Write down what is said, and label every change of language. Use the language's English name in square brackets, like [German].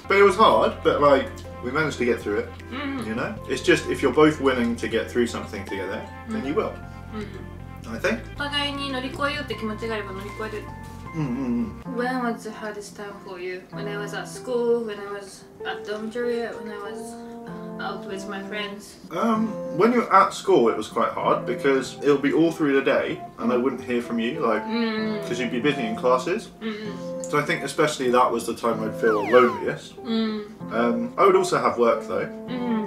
[English] But it was hard, but like we managed to get through it. You know? It's just if you're both willing to get through something together, then you will. I think. [Japanese] お互いに乗り越えようって気持ちがあれば乗り越える。 [English] When was the hardest time for you? When I was at school, when I was at dormitory, when I was out with my friends? When you're at school, it was quite hard because it'll be all through the day and I wouldn't hear from you, like, because you'd be busy in classes. So I think especially that was the time I'd feel loneliest. I would also have work though.